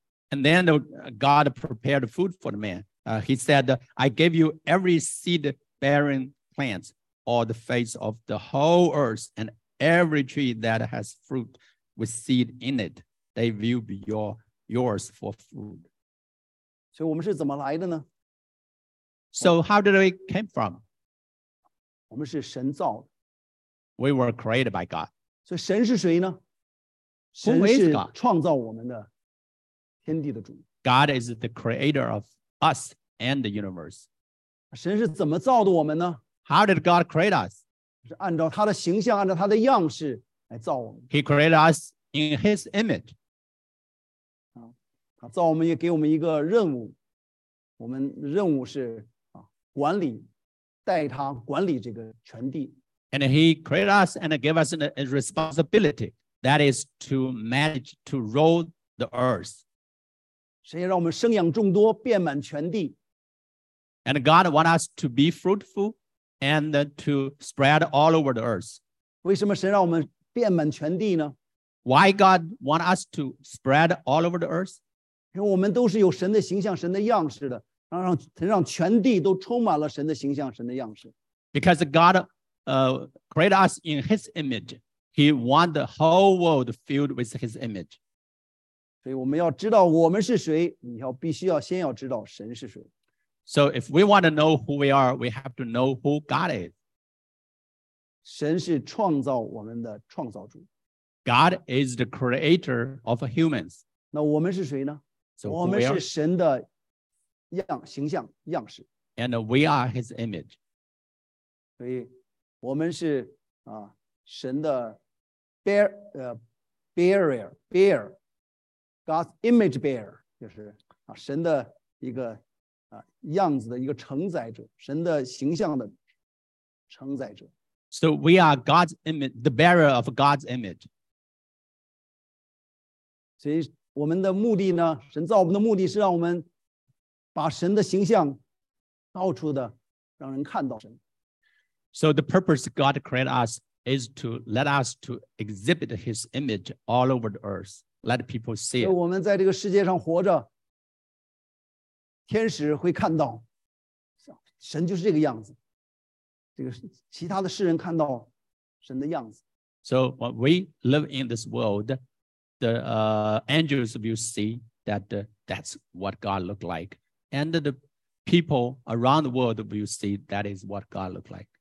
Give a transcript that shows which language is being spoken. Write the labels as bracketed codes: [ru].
[en] And then God prepared food for the man. He said, I gave you every seed bearing plant on the face of the whole earth and every tree that has fruit with seed in it. They will be yours for food. [zh] 所以我们是怎么来的呢 [en] ？So how did we came from？ [zh] 我们是神造的。 [en] We were created by God。 [zh] 所以神是谁呢？神是创造我们的天地的主。 [en] God is the creator of us and the universe。 [zh] 神是怎么造的我们呢 [en] ？How did God create us？ [zh] 是按照他的形象，按照他的样式来造我们。 [en] He created us in His image。 [zh] 造我们也给我们一个任务，我们任务是、啊、管理，带他管理这个全地。 [en] And he created us and gave us a responsibility that is to manage to rule the earth. [zh] 神让我们生养众多，遍满全地。 [en] And God want us to be fruitful and to spread all over the earth. [zh] 为什么神让我们遍满全地呢 [en] ？Why God want us to spread all over the earth? [zh] 因为我们都是有神的形象神的样式的让全地都充满了神的形象神的样式 [en] Because God created us in his image He want the whole world filled with his image [zh] 所以我们要知道我们是谁你要必须要先要知道神是谁 [en] So if we want to know who we are We have to know who God is [zh] 神是创造我们的创造主 [en] God is the creator of humans [zh] 那我们是谁呢 [en] So、 [zh] 我们是神的样形象样式 [en] And we are his image [zh] 所以我们是、啊、神的 [en] bear,、bearer bear, God's image bearer [zh] 就是、啊、神的一个、啊、样子的一个承载者神的形象的承载者 [en] So we are God's image The bearer of God's image [zh] 所以我们的目的呢神造我们的目的是让我们把神的形象到处的让人看到神 [en] So the purpose God created us is to let us to exhibit his image all over the earth Let people see it [zh] 我们在这个世界上活着天使会看到神就是这个样子这个其他的世人看到神的样子 [en] So when we live in this worldThe angels will see that that's what God looked like. And the people around the world will see that is what God looked like.